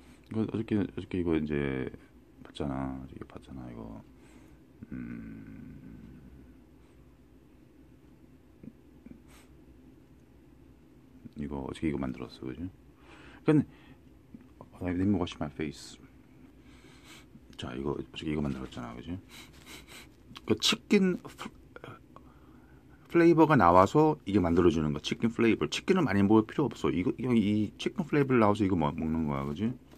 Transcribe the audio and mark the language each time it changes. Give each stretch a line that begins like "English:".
Korean: 이거 어저께 이거 이제 봤잖아. 이게 봤잖아. 이거 이거 어떻게 이거 만들었어, 그지?
English: 그니까 I didn't wash my face.
Korean: 자, 이거 어떻게 이거 만들었잖아, 그지? 그 치킨 플레이버가 나와서 이게 만들어주는 거. 치킨 플레이버, 치킨을 많이 먹을 필요 없어. 이거 이 치킨 플레이버를 나와서 이거 먹는 거야, 그지?